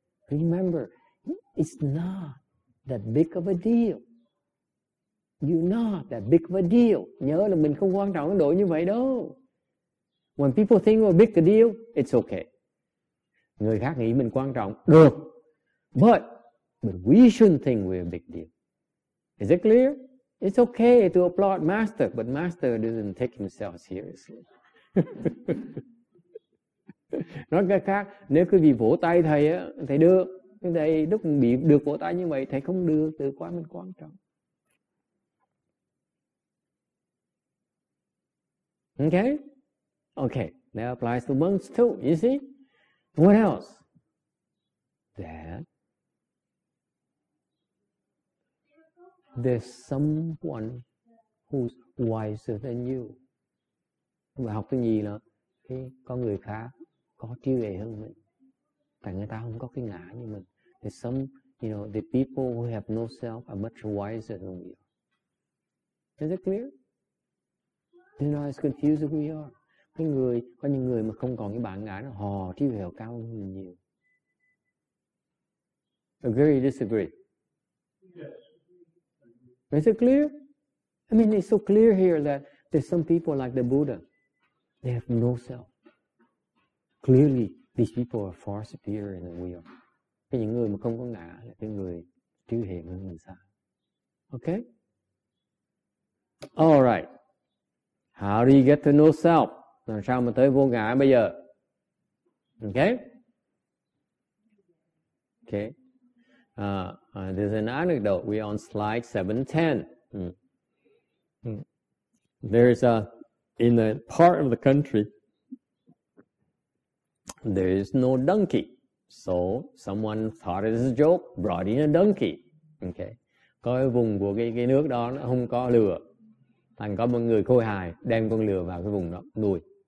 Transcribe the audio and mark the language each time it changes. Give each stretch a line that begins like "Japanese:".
English: Remember, it's not that big of a deal. You're not that big of a deal.
Vietnamese: Nhớ là mình không quan trọng đồ như vậy đâu.
English: When people think we're big of a deal, it's okay.
Vietnamese: Người khác nghĩ mình quan trọng, được.
English: But we shouldn't think we're a big deal. Is it clear? It's okay to applaud Master, but Master doesn't take himself seriously.
Vietnamese: Nói cách khác, nếu quý vị vỗ tay thầy á, thầy được. Thầy lúc bị được vỗ tay như vậy, thầy không được, tự quá mình quan trọng.
English: Okay? Okay, that applies to monks too, you see? What else? That there's someone who's wiser than you.
Vietnamese: Mà học cái gì là cái con người khác có trí tuệ hơn mình. Tại người ta không có cái ngã như mình.
English: There's some, you know, the people who have no self are much wiser than we are. Is it clear? They're not as confused as we are.
Vietnamese: Cái người, có những người mà không còn cái bản ngã đó, họ trí tuệ họ cao hơn mình nhiều.
English: Agree, disagree? Yes. Is it clear? I mean, it's so clear here that there's some people like the Buddha. They have no self. Clearly, these people are far superior than we are.
Vietnamese: Cái những người mà không có ngã là cái người trí tuệ hơn mình xa.
English: Okay? All right. How do you get to no self?
Vietnamese: Làm sao mà tới vô ngã bây giờ?
English: Okay? Okay. There's an anecdote. We're on slide 710. There's a, in a part of the country, there is no donkey. So someone thought it was a joke, brought in a donkey. Okay.
Vietnamese: Có cái vùng của cái nước đó nó không có lừa. Thành có một người khôi hài đem con lừa vào cái vùng đó nuôi.